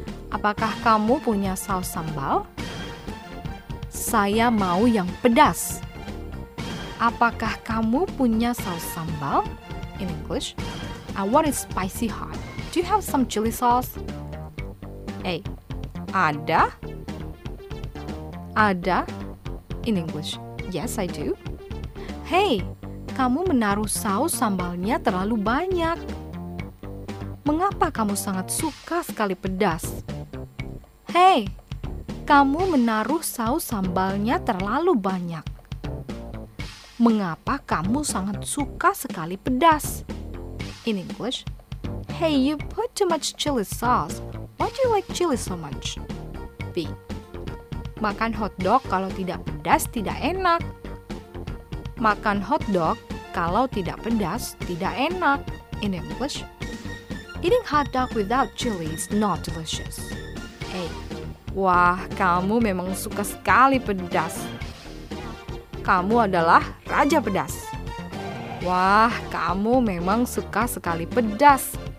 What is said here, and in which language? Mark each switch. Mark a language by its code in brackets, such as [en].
[id] Apakah kamu punya saus sambal? Saya mau yang pedas. Apakah kamu punya saus sambal? [en] In English, I want it spicy hot. Do you have some chili sauce? [id] A. Ada? Ada? [en] In English, yes I do. [id] Hey, kamu menaruh saus sambalnya terlalu banyak. Mengapa kamu sangat suka sekali pedas? Hey, kamu menaruh saus sambalnya terlalu banyak. Mengapa kamu sangat suka sekali pedas? [en] In English, hey, you put too much chili sauce. Why do you like chili so much? B. [id] Makan hotdog kalau tidak pedas tidak enak. Makan hotdog kalau tidak pedas tidak enak. [en] In English, eating hotdog without chili is not delicious. [id] A. Wah, kamu memang suka sekali pedas. Kamu adalah raja pedas. Wah, kamu memang suka sekali pedas.